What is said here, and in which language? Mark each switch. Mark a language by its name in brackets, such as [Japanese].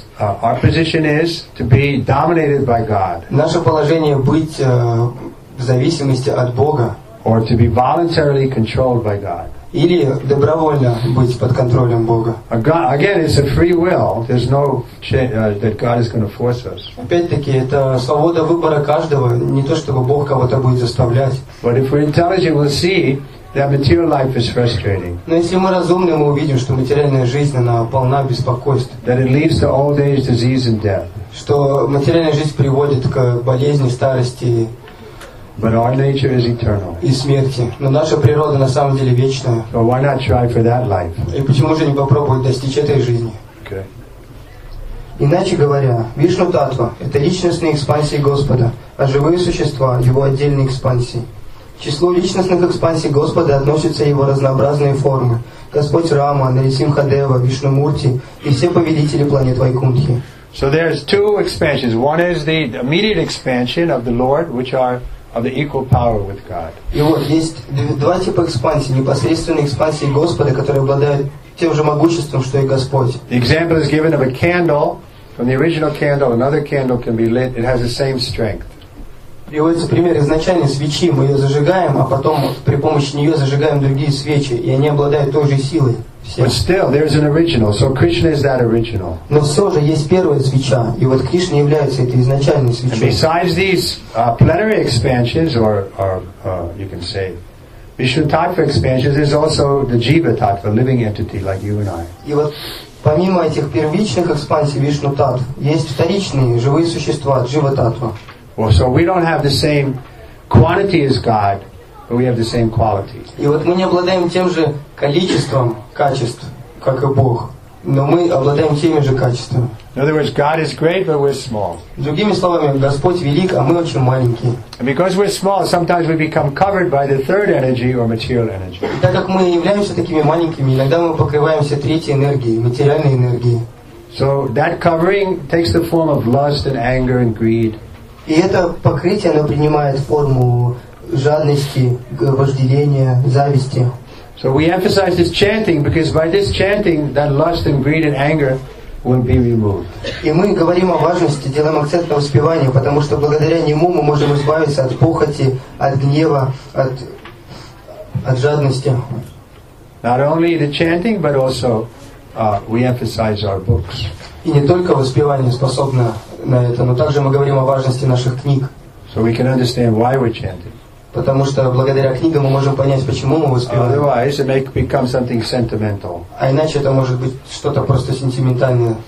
[English] Our position is to be dominated by God. [Russian] Наше положение быть в зависимости от Бога. [English] Or to be voluntarily controlled by God. [Russian] Или добровольно быть под контролем Бога. [English] Again, it's a free will. There's no that God is going to force us. [Russian] Опять-таки, это свобода выбора каждого, не то чтобы Бог кого-то будет заставлять. [English] But if we're intelligent, we'll see that material life is frustrating. [Russian] Но если мы разумны, мы увидим, что материальная жизнь она полна беспокойств. [English] That it leads to old age, disease, and death. [Russian] Что материальная жизнь приводит к болезни, старости. [English] But our nature is eternal. [Russian] И смерти. Но наша природа на самом деле вечная. [English] So why not try for that life? [Russian] И почему же не попробовать достичь этой жизни? [English] Okay. [Russian] Иначе говоря, Вишну-таттва — это личностные экспансии Господа, а живые существа — его отдельные экспансии. К числу личностных экспансий Господа относятся его разнообразные формы. Господь Рама, Нарисимхадева, Вишнумурти и все повелители планет Вайкунтхи. [English] So there's two expansions. One is the immediate expansion of the Lord, which are of the equal power with God. [Russian] И вот есть два типа экспансии, непосредственные экспансии Господа, которые обладают тем же могуществом, что и Господь. [English] The example is given of a candle. From the original candle, another candle can be lit. It has the same strength. [Russian] Приводится пример изначальной свечи, мы ее зажигаем, а потом при помощи нее зажигаем другие свечи, и они обладают той же силой. [English] But still, there's an original. So Krishna is that original. [Russian] Но все же есть первая свеча, и вот Кришна является этой изначальной свечой. [English] And besides these plenary expansions, you can say, Vishnu-tattva expansions, there's also the jiva-tattva, living entity like you and I. [Russian] И вот помимо этих первичных экспансий Вишну-таттв, есть вторичные живые существа, джива-таттва. [English] Well, so we don't have the same quantity as God, but we have the same quality. [Russian] И вот мы не обладаем тем же количеством качеств, как и Бог, но мы обладаем теми же качествами. [English] In other words, God is great, but we're small. [Russian] Другими словами, Господь велик, а мы очень маленькие. [English] And because we're small, sometimes we become covered by the third energy or material energy. [Russian] И так как мы являемся такими маленькими, иногда мы покрываемся третьей энергией, материальной энергией. [English] So that covering takes the form of lust and anger and greed. [Russian] И это покрытие, оно принимает форму жадности, вожделения, зависти. [English] So we emphasize this chanting because by this chanting, that lust and greed and anger will be removed. [Russian] И мы говорим о важности, делаем акцент на воспевании, потому что благодаря нему мы можем избавиться от похоти, от гнева, от жадности. [English] Not only the chanting, but also we emphasize our books. [Russian] И не только воспевание способно на это, но также мы говорим о важности наших книг. [English] So we can understand why we're chanting. [Russian] Потому что благодаря книгам мы можем понять, почему мы воспеваем. А иначе это может быть что-то просто сентиментальное.